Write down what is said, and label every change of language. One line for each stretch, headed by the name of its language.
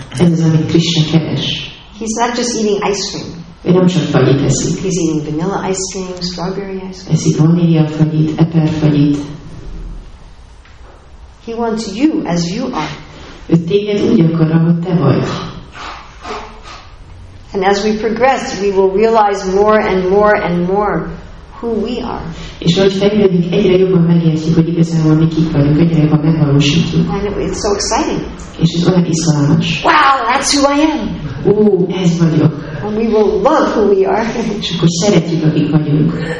Hungarian: Ez az, amit Krishna keres.
English: He's not just eating ice cream.
Hungarian: Ő nem csak fagyit eszik.
English: He's eating vanilla ice cream, strawberry ice cream.
Hungarian: Eszik vanília fagyit, eper fagyit.
English: He wants you as you are.
Hungarian: Ő téged úgy akar, ahogy te vagy.
English: And as we progress, we will realize more and more and more who we are.
Hungarian: És ahogy fejlődünk, egyre jobban megértjük, hogy igazából mi kik vagyunk, egyre jobban megvalósítjuk.
English: And it's so exciting.
Hungarian: És ez olyan izgalmas.
English: Wow, that's who I am.
Hungarian: Ó, ez vagyok.
English: And we will love who we are.
Hungarian: És akkor szeretjük, akik vagyunk.